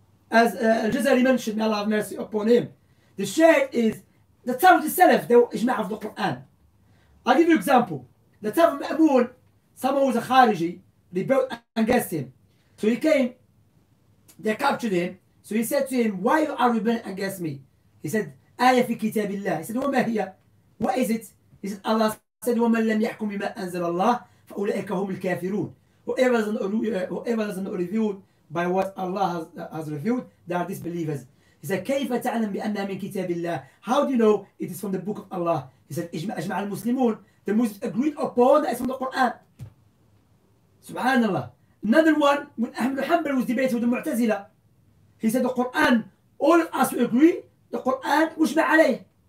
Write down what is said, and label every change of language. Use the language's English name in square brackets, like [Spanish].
[English] As Al-Jazari mentioned, may Allah have mercy upon him. The shaykh is, the time of the Salaf, they were ijma' of the Qur'an. I'll give you an example. The time of Ma'mun, someone was a Khariji, rebelled against him. So he came, they captured him. So he said to him, why are you rebelling against me? He said, [Arabic] ayah fi kitabillah. [English] He said, [Arabic] wa ma hiya? [English] What is it? [Arabic] He said, Allah said, وَمَنْ لَمْ يَحْكُمْ بِمَا أَنْزَلَ اللَّهِ فَأُولَئِكَ هُمُ الْكَافِرُونَ. [English] Whoever doesn't review by what Allah has revealed, they are disbelievers. [Arabic] He said, كَيْفَ تَعْلَمْ بِأَنَّا مِنْ كِتَابِ اللَّهِ. [English] How do you know it is from the book of Allah? He said, [Arabic] إِجْمَعَ الْمُسْلِمُونَ. [English] The Muslims agreed upon that it's from the Quran. Subhanallah. Another one, when Ahmed al-Hanbal was debated with the Mu'tazila, he said, the Quran, all of us agree, the Quran, [Arabic] مُجْمَعَ عَلَيْهِ.